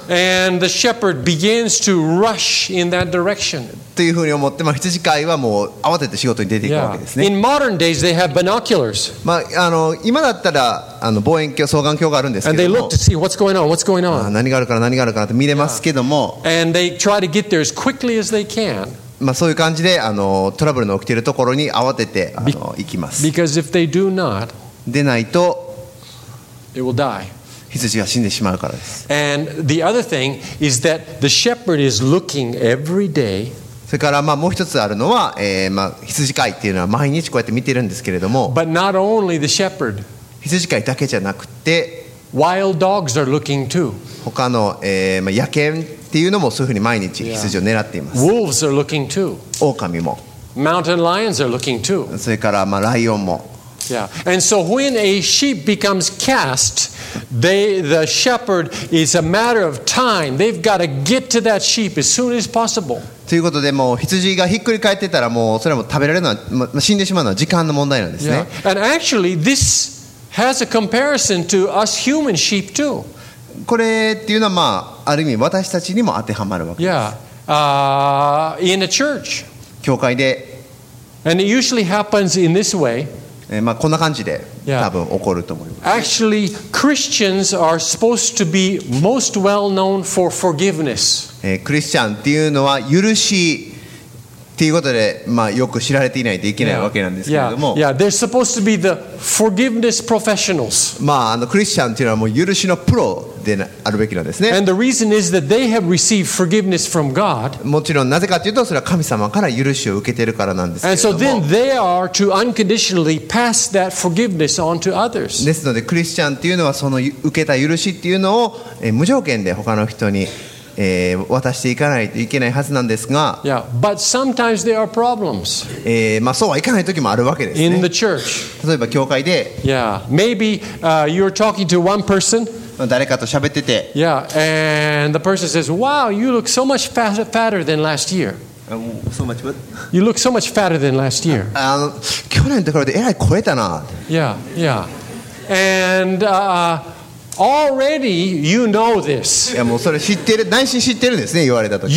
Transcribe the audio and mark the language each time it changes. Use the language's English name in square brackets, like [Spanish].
[English] And the shepherd begins to rush in that direction. [Japanese] というふうに思って、まあ、羊飼いはもう慌てて仕事に出ていくわけですね。 [English] In modern days, they have binoculars. [Japanese] まあ、あの、今だったらあの望遠鏡、双眼鏡があるんですけども [English] 。 And they look to see what's going on, what's going on. [Japanese] 何があるかな、何があるかなって見れますけども。 [English] And they try to get there as quickly as they can. [Japanese] まあ、そういう感じであのトラブルの起きているところに慌ててあの行きます。 [English] Because if they do not, [Japanese] でないと [English] it will die. [Japanese] 羊が死んでしまうからです。 [English] And the other thing is that the shepherd is looking every day. [Japanese] それからまあもう一つあるのは、まあ羊飼いっていうのは毎日こうやって見てるんですけれども [English] But not only the shepherd. [Japanese] 羊飼いだけじゃなくて [English] Wild dogs are looking too. [Japanese] 他の、まあ、野犬っていうのもそういうふうに毎日羊を狙っています。 [English] Yeah. Wolves are looking too. [Japanese] 狼も。 [English] Mountain lions are looking too. [Japanese] それからまあライオンも。 [English] Yeah. And so when a sheep becomes cast, the shepherd is a matter of time. They've got to get to that sheep as soon as possible. [Japanese] ということでもう羊がひっくり返ってたらもうそれも食べられるのは死んでしまうのは時間の問題なんですね。 [English] Yeah. And actually, this has a comparison to us human sheep too. [Japanese] これっていうのはまあある意味私たちにも当てはまるわけです。 [English] Yeah. In a church. [Japanese] 教会で。 [English] And it usually happens in this way. [Japanese] まあこんな感じで多分起こると思います。 [English] Actually, Christians are supposed to be most well known for forgiveness. [Japanese] クリスチャンっていうのは許しということで、まあ、よく知られていないといけないわけなんですけれども、 [English] yeah. Yeah. They're supposed to be the forgiveness professionals. [Japanese] まあ、あのクリスチャンというのはもう許しのプロであるべきなんですね。 [English] And the reason is that they have received forgiveness from God. [Japanese] もちろんなぜかというとそれは神様から許しを受けているからなんですけれども、 [English] And so then they are to unconditionally pass that forgiveness on to others. [Japanese] ですのでクリスチャンというのはその受けた許しというのを、無条件で他の人に渡していかないといけないはずなんですが、 [English] yeah, but sometimes there are problems. [Japanese] まあそうはいかない時もあるわけですね。 [English] In the church. [Japanese] 例えば教会で、 [English] yeah, maybe, you're talking to one person. [Japanese] 誰かと喋ってて、 [English] yeah, and the person says, "Wow, you look so much fatter than last year." So much what? You look so much fatter than last year. [Japanese] 去年と比べてえらい超えたな。 [English] Yeah, yeah, and. Already, you know this. [Japanese] いやもうそれ知ってる、内心知ってるんですね、言われたとき。